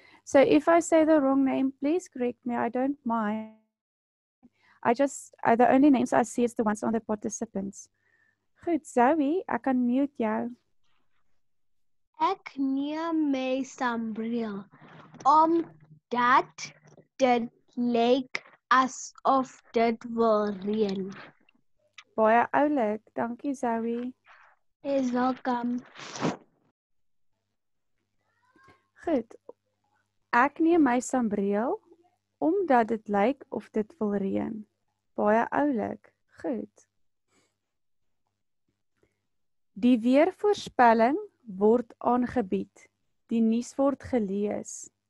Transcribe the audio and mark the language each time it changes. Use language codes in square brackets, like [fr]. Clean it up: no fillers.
[en] So if I say the wrong name, please correct me. I don't mind. The only names I see is the ones on the participants. [af] Goed, Zoe, ek kan mute jou. Ek neem my sambreel, omdat dit lyk asof dit wil reën. Baie oulik, dankie Zoe. Is welkom. Goed. Ek neem my sambreel Omdat het lijkt of dit wil reën. Baie oulik. Goed. Die weervoorspelling wordt aangebied. Die nuus wordt gelees.